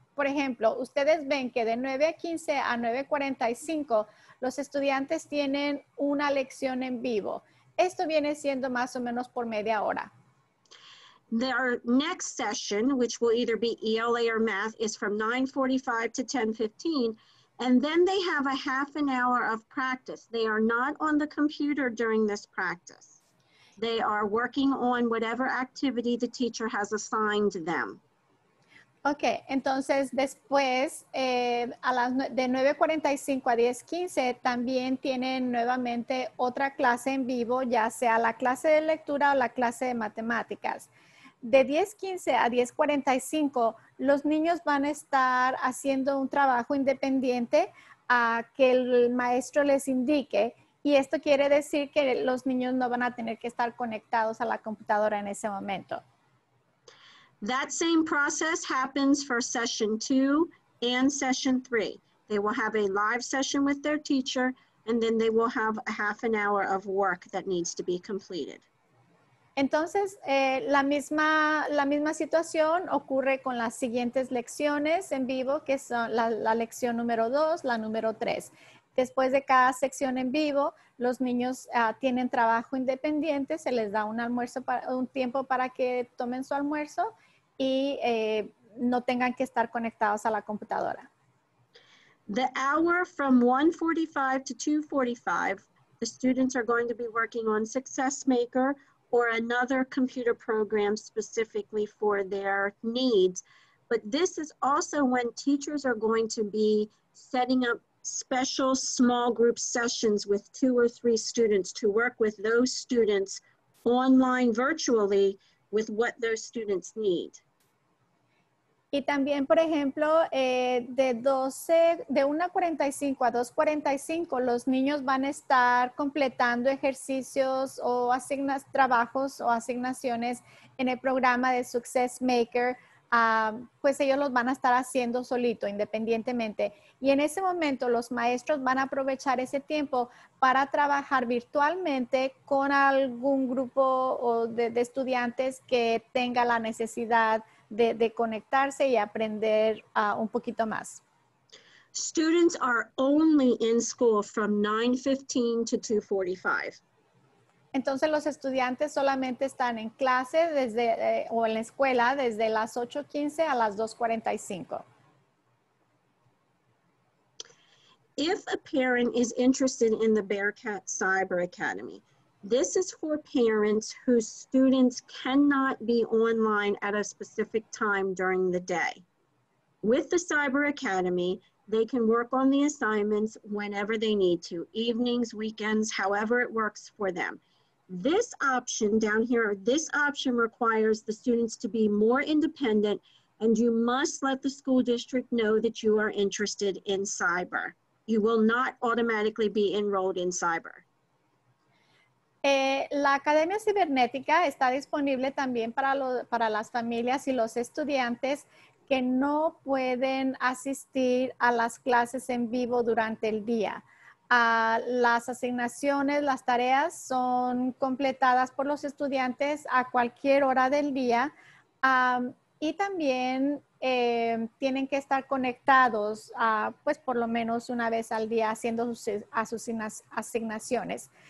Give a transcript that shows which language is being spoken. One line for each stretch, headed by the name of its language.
Spanish: Por ejemplo, ustedes ven que de 9:15 a 9:45 los estudiantes tienen una lección en vivo. Esto viene siendo más o menos por media hora.
English: Their next session, which will either be ELA or math, is from 9:45 to 10:15, and then they have a half an hour of practice. They are not on the computer during this practice. They are working on whatever activity the teacher has assigned them.
Spanish: Okay, entonces después a las de 9:45 a 10:15 también tienen nuevamente otra clase en vivo, ya sea la clase de lectura o la clase de matemáticas. De 10:15 a 10:45 los niños van a estar haciendo un trabajo independiente a que el maestro les indique. Y esto quiere decir que los niños no van a tener que estar conectados a la computadora en ese momento.
English: That same process happens for session 2 and session 3. They will have a live session with their teacher and then they will have a half an hour of work that needs to be completed.
Spanish: Entonces, la misma situación ocurre con las siguientes lecciones en vivo, que son la lección número 2, la número 3. Después de cada sección en vivo, los niños tienen trabajo independiente, se les da un almuerzo para un tiempo para que tomen su almuerzo y no tengan que estar conectados a la computadora.
English: The hour from 1:45 to 2:45, the students are going to be working on Success Maker or another computer program specifically for their needs. But this is also when teachers are going to be setting up special small group sessions with 2 or 3 students to work with those students online virtually with what those students need.
Spanish: Y también, por ejemplo, de 1:45 a 2:45, los niños van a estar completando ejercicios o trabajos o asignaciones en el programa de Success Maker pues ellos los van a estar haciendo solito, independientemente. Y en ese momento los maestros van a aprovechar ese tiempo para trabajar virtualmente con algún grupo o de estudiantes que tenga la necesidad de conectarse y aprender un poquito más.
English: Students are only in school from 9:15 to 2:45.
Spanish: Entonces los estudiantes solamente están en clase desde o en la escuela desde las 8:15 a las 2:45.
English: If a parent is interested in the Bearcat Cyber Academy, this is for parents whose students cannot be online at a specific time during the day. With the Cyber Academy, they can work on the assignments whenever they need to, evenings, weekends, however it works for them. This option down here, this option requires the students to be more independent, and you must let the school district know that you are interested in cyber. You will not automatically be enrolled in cyber.
Spanish: La Academia Cibernética está disponible también para las familias y los estudiantes que no pueden asistir a las clases en vivo durante el día. Las asignaciones, las tareas son completadas por los estudiantes a cualquier hora del día y también tienen que estar conectados pues por lo menos una vez al día haciendo sus asignaciones.